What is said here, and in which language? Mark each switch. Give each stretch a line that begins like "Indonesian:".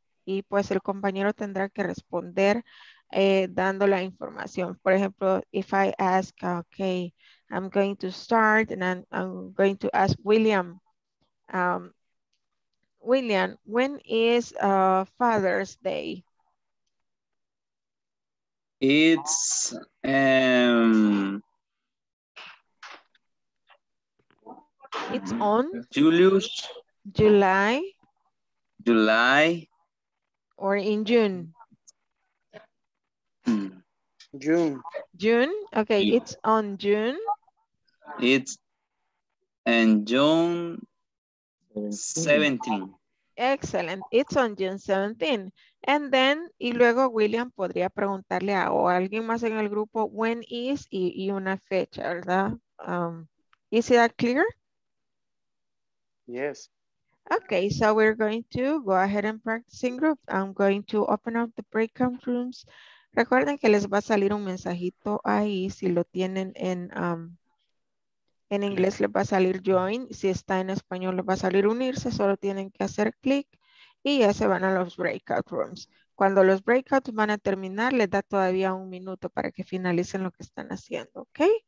Spanish: Y pues el compañero tendrá que responder dando la información.
English: Por ejemplo, if I ask, okay, I'm going to start and I'm going to ask William. William, when is Father's Day? It's on July or in June. June. Okay, yeah. It's on June. It's in June 17. Excellent. It's on June 17. And then,
Spanish: y luego William podría preguntarle a alguien más en el grupo,
English: when is
Spanish: y una fecha, ¿verdad?
English: Is that clear? Yes. Okay, so we're going to go ahead and practice in group. I'm going to open up the breakout rooms.
Spanish: Recuerden que les va a salir un mensajito ahí, si lo tienen en inglés les va a salir join, si está en español les va a salir unirse, solo tienen que hacer clic y ya se van a los breakout rooms. Cuando los breakouts van a terminar, les da todavía un minuto para que finalicen lo que están haciendo, ¿ok?